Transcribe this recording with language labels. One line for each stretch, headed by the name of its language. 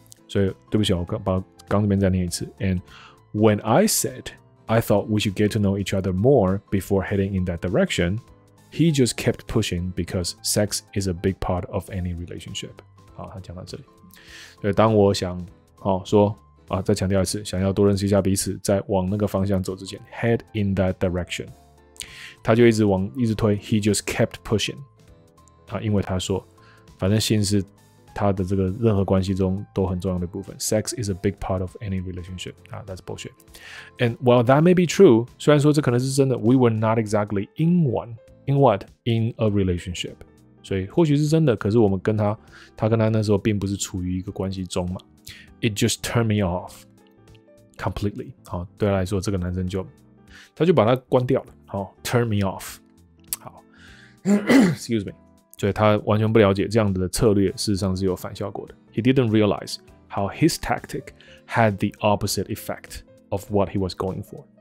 Chinese: 所以对不起，我刚这边再念一次。
English: And when I said I thought we should get to know each other more before heading in that direction, he just kept pushing because sex is a big part of any relationship.
Chinese: 好，他讲到这里。所以当我想再强调一次，想要多认识一下彼此，在往那个方向走之前 ，
English: head in that direction，
Chinese: 他就一直推。
English: He just kept pushing.
Chinese: 因为他说，反正性是他的这个任何关系中都很重要的部分。
English: Sex is a big part of any relationship. That's bullshit. And while that may be true,
Chinese: 虽然说这可能是真的
English: ，we were not exactly in one. In what? In a relationship.
Chinese: 所以或许是真的，可是我们跟他，他跟他那时候并不是处于一个关系中嘛。
English: It just turned me off completely.
Chinese: 好，对他来说，这个男生他就把他关掉了。
English: 好 ，turn me off. 好，excuse me.
Chinese: 所以他完全不了解这样的策略，事实上是有反效果的。
English: He didn't realize how his tactic had the opposite effect of what he was going for.